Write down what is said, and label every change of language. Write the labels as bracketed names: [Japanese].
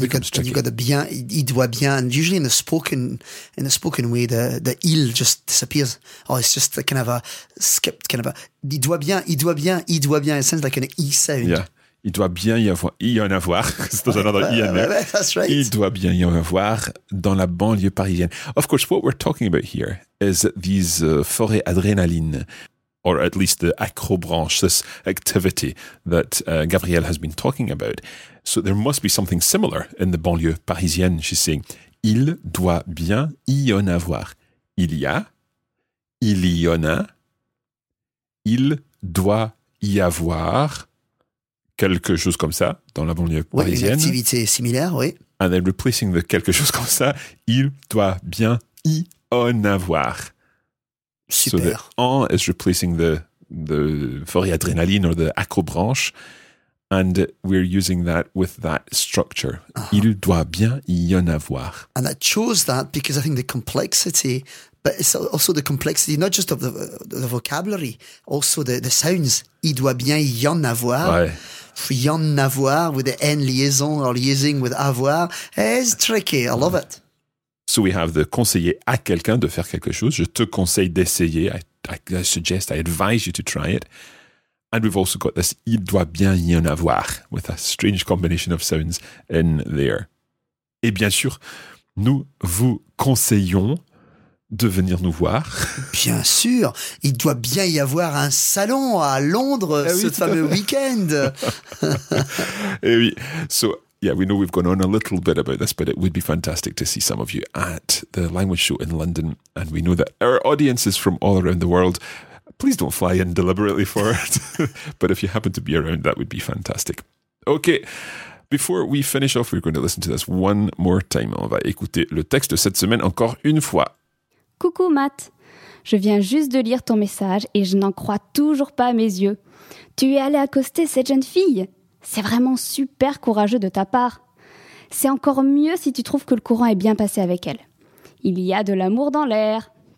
[English] becomes you got, tricky. You've got the bien, il doit bien. And usually in the spoken way, the il just disappears. Or it's just kind of a skipped kind of a... [French] Il doit bien, il doit bien, il doit bien. [English] It sounds like an E sound. Yeah. [French] Il doit bien y avoir, il y en avoir. [English] There's another E in there. That's right. [French] Il doit bien y en avoir dans la banlieue parisienne. [English] Of course, what we're talking about here is these forêts adrénaline, or at least the acrobranche, this activity that Gabriel has been talking about. So there must be something similar in the banlieue parisienne. She's saying, [French] il doit bien y en avoir. Il y a, il y en a. Il doit y avoir quelque chose comme ça dans la banlieue parisienne. Oui, une activité similaire, oui. [English] And then replacing the quelque chose comme ça, [French] il doit bien y en avoir. Super. [English] So the en is replacing the forêt adrénaline or the acrobranche. And we're using that with that structure. [French] Uh-huh. Il doit bien y en avoir. [English] And I chose that because I think the complexity... But it's also the complexity, not just of the vocabulary, also the sounds. [French] Il doit bien y en avoir. Ouais. [English] Y en avoir with the N liaison or liaising with avoir. It's tricky. I love it. [French] So we have the conseiller à quelqu'un de faire quelque chose. Je te conseille d'essayer. [English] I suggest, I advise you to try it. And we've also got this [French] il doit bien y en avoir [English] with a strange combination of sounds in there. [French] Et bien sûr, nous vous conseillons de venir nous voir. Bien sûr, il doit bien y avoir un salon à Londres ce fameux week-end. Et oui, [English] so yeah, we know we've gone on a little bit about this, but it would be fantastic to see some of you at the Language Show in London. And we know that our audience is from all around the world. Please don't fly in deliberately for it. But if you happen to be around, that would be fantastic. Okay, before we finish off, we're going to listen to this one more time. [French] On va écouter le texte de cette semaine encore une fois. Coucou Matt, je viens juste de lire ton message et je n'en crois toujours pas à mes yeux. Tu es allé accoster cette jeune fille? C'est vraiment super courageux de ta part. C'est encore mieux si tu trouves que le courant est bien passé avec elle. Il y a de l'amour dans l'air.